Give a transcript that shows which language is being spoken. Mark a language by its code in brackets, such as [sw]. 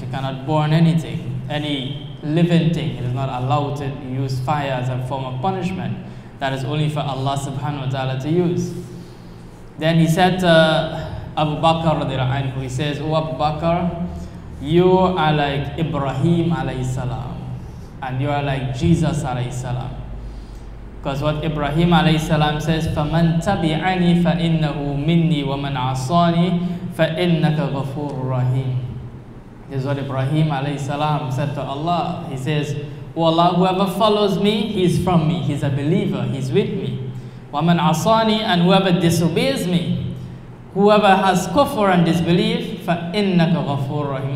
[en] You cannot burn anything, any living thing. It is not allowed to use fire as a form of punishment. That is only for Allah subhanahu wa ta'ala to use. Then he said to Abu Bakr radiallahu anhu, he says, oh Abu Bakr, you are like Ibrahim alayhi salam, and you are like Jesus alayhi salam. Because what Ibrahim alayhi salam says, [ar] فَمَنْ تَبِعَنِي فَإِنَّهُ مِنِّي وَمَنْ عَصَانِي فَإِنَّكَ غَفُورُ رَحِيمٌ. [en] This is what Ibrahim alayhi salam said to Allah. He says, oh Allah, whoever follows me, he's from me. He's a believer. He's with me. [ar] وَمَنْ عَصَانِي, [en] and whoever disobeys me, whoever has kufr and disbelief, [ar] فَإِنَّكَ غَفُورُ رَحِيمٌ.